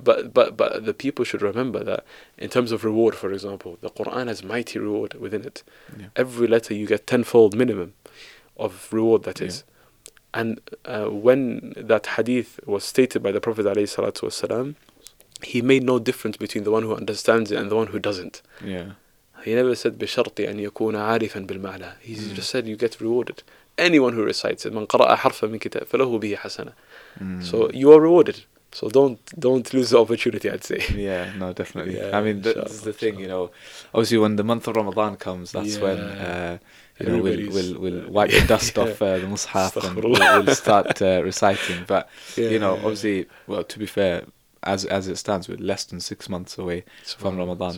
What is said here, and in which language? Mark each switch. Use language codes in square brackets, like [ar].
[en] But the people should remember that in terms of reward, for example, the Quran has mighty reward within it. Yeah. Every letter you get tenfold minimum of reward, that is. Yeah. And when that hadith was stated by the Prophet alayhi salatu wasalam, he made no difference between the one who understands it and the one who doesn't. Yeah. He never said [ar] بِشَرْطِ أَن يَكُونَ عَارِفًا بِالْمَعْنَى. [en] He just said you get rewarded. Anyone who recites it, [ar] مَنْ قَرَأَ حَرْفًا مِنْ كِتَابٍ فَلَهُ بِهِ حَسَنًا. [en] So you are rewarded. So don't lose the opportunity, I'd say. Yeah, no, definitely. Yeah, I mean, that's the thing, you know. Obviously, when the month of Ramadan comes, that's when we'll wipe the dust off the Mus'haf and we'll start reciting. But, you know, obviously, well, to be fair, as it stands, we're less than 6 months away from Ramadan.